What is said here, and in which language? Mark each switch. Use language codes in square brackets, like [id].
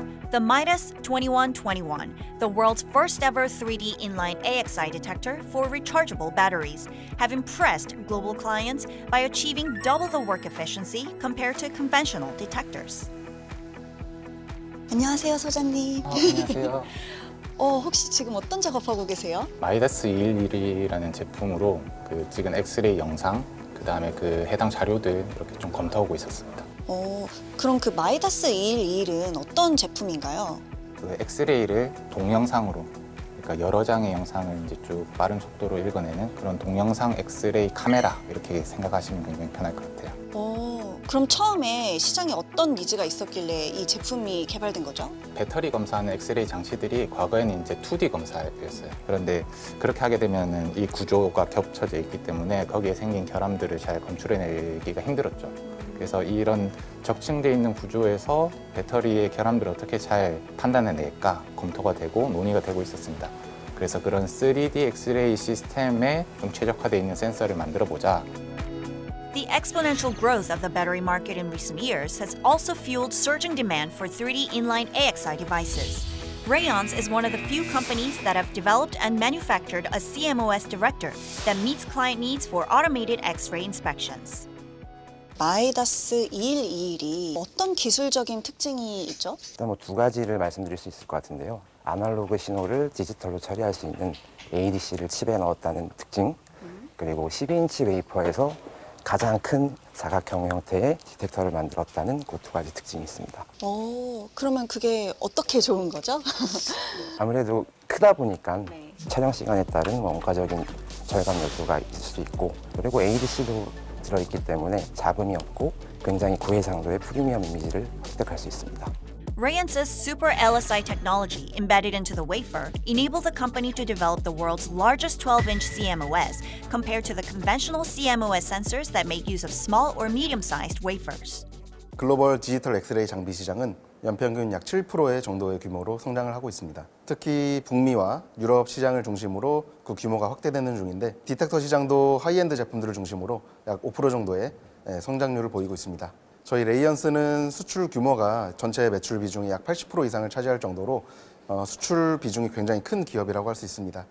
[en] The Midas 2121, the world's first ever 3D inline AXI detector for rechargeable batteries, have impressed global clients by achieving double the work efficiency compared to conventional detectors. [ko] 안녕하세요, 소장님. 안녕하세요. 혹시 지금 어떤 작업하고 계세요? 마이다스 211이라는 제품으로 그 찍은 엑스레이 영상, 그 다음에 그 해당 자료들 이렇게 좀 검토하고 있었습니다. 그럼 그 마이다스 211은 어떤 제품인가요? 그 엑스레이를 동영상으로, 그러니까 여러 장의 영상을 이제 쭉 빠른 속도로 읽어내는 그런 동영상 엑스레이 카메라, 이렇게 생각하시면 굉장히 편할 것 같아요. 그럼 처음에 시장에 어떤 니즈가 있었길래 이 제품이 개발된 거죠? 배터리 검사하는 엑스레이 장치들이 과거에는 이제 2D 검사였어요. 그런데 그렇게 하게 되면은 이 구조가 겹쳐져 있기 때문에 거기에 생긴 결함들을 잘 검출해내기가 힘들었죠. 그래서 이런 적층되어 있는 구조에서 배터리의 결함들을 어떻게 잘 판단해낼까 검토가 되고 논의가 되고 있었습니다. 그래서 그런 3D 엑스레이 시스템에 좀 최적화되어 있는 센서를 만들어보자. [en] The exponential growth of the battery market in recent years has also fueled surging demand for 3D inline AXI devices. Rayence is one of the few companies that have developed and manufactured a CMOS detector that meets client needs for automated X-ray inspections. [ko] Midas 211이 어떤 기술적인 특징이 있죠? 일단 뭐 두 가지를 말씀드릴 수 있을 것 같은데요. 아날로그 신호를 디지털로 처리할 수 있는 ADC를 칩에 넣었다는 특징, 그리고 12인치 웨이퍼에서 가장 큰 사각형 형태의 디텍터를 만들었다는 그 두 가지 특징이 있습니다. 그러면 그게 어떻게 좋은 거죠? 아무래도 크다 보니까 네. 촬영 시간에 따른 원가적인 절감 요소가 있을 수 있고 그리고 ADC도 들어있기 때문에 잡음이 없고 굉장히 고해상도의 프리미엄 이미지를 획득할 수 있습니다. [en] Rayence's Super LSI technology embedded into the wafer enabled the company to develop the world's largest 12-inch CMOS compared to the conventional CMOS sensors that make use of small or medium-sized wafers. [ko] 글로벌 디지털 엑스레이 장비 시장은 연평균 약 7%의 정도의 규모로 성장을 하고 있습니다. 특히 북미와 유럽 시장을 중심으로 그 규모가 확대되는 중인데 디텍터 시장도 하이엔드 제품들을 중심으로 약 5% 정도의 성장률을 보이고 있습니다. 저희 레이언스는 수출 규모가 전체 매출 비중의 약 80% 이상을 차지할 정도로 수출 비중이 굉장히 큰 기업이라고 할 수 있습니다.